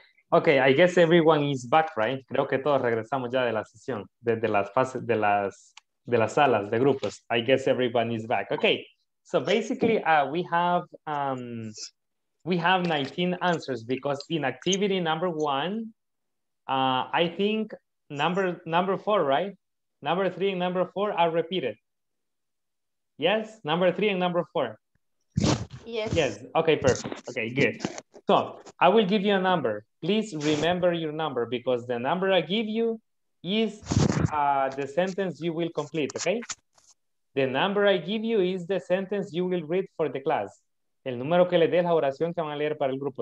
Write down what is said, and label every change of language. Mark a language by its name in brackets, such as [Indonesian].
[English] Okay, I guess everyone is back, right? [Spanish] Creo que todos regresamos ya de la sesión, desde las fases, de las salas de grupos. [English] I guess everyone is back. Okay, so basically we have 19 answers because in activity number one, I think number four, right? Number three and number four are repeated. Yes, number three and number four. Yes. Okay, perfect. Okay, good. So I will give you a number. Please remember your number because the number I give you is the sentence you will complete, okay? The number I give you is the sentence you will read for the class. [Spanish] El número que le dé la oración que van a leer para el grupo.